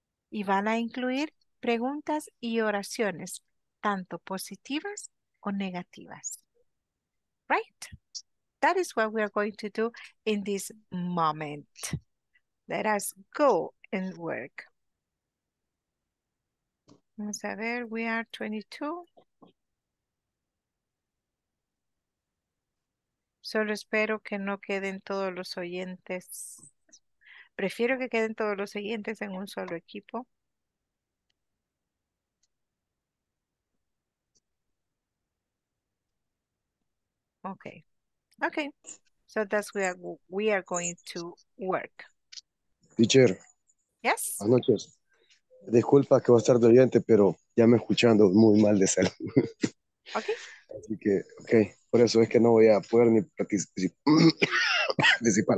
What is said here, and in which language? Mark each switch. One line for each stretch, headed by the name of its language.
Spanish: Y van a incluir preguntas y oraciones, tanto positivas o negativas.
English: Right? That is what we are going to do in this moment. Let us go and work.
Spanish: Vamos a ver, we are 22. Solo espero que no queden todos los oyentes. Prefiero que queden todos los oyentes en un solo equipo.
English: Okay. Okay. So that's where we are going to work. Teacher. Yes.
Spanish: Buenas noches. Disculpa que va a estar doliente, pero ya me escuchando muy mal de salud.
English: Okay.
Spanish: Así que, okay, por eso es que no voy a poder ni participar.